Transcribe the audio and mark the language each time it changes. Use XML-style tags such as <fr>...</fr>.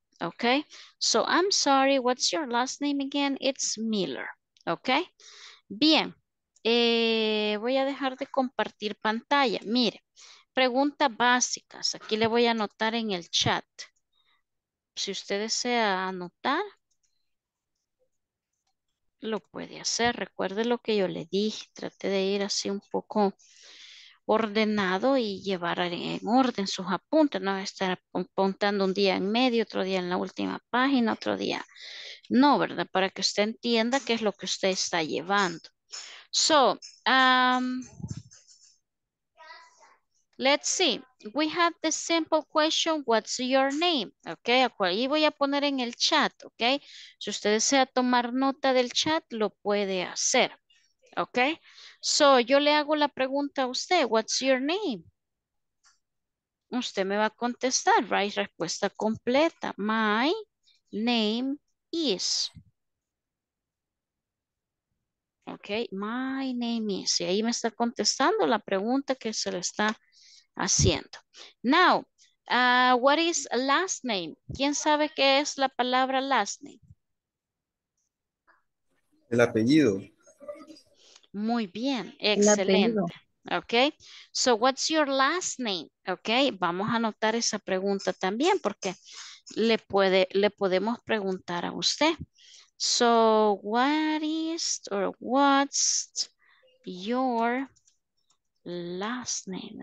<en>Okay, so I'm sorry, what's your last name again? It's Miller.</en> <es>Okay, bien, voy a dejar de compartir pantalla. Mire, preguntas básicas. Aquí le voy a anotar en el chat. Si usted desea anotar, lo puede hacer. Recuerde lo que yo le dije. Trate de ir así un poco ordenado y llevar en orden sus apuntes, no estar apuntando un día en medio, otro día en la última página, otro día no, ¿verdad? Para que usted entienda qué es lo que usted está llevando.</es> <en>So, let's see, we have the simple question, what's your name?</en> <es>Ok, ahí voy a poner en el chat, ok, si usted desea tomar nota del chat, lo puede hacer. Ok, so yo le hago la pregunta a usted,</es> <en>what's your name?</en> <es>Usted me va a contestar,</es> <en>right?</en> <es>Respuesta completa,</es> <en>my name is. Ok, my name is.</en> <es>Y ahí me está contestando la pregunta que se le está haciendo.</es> <en>Now, what is last name?</en> <es>¿Quién sabe qué es la palabra last name? El apellido. Muy bien, excelente.</es> <en>Ok, so what's your last name?</en> <es>Ok, vamos a anotar esa pregunta también porque le podemos preguntar a usted.</es> <en>So what is or what's your last name?</en>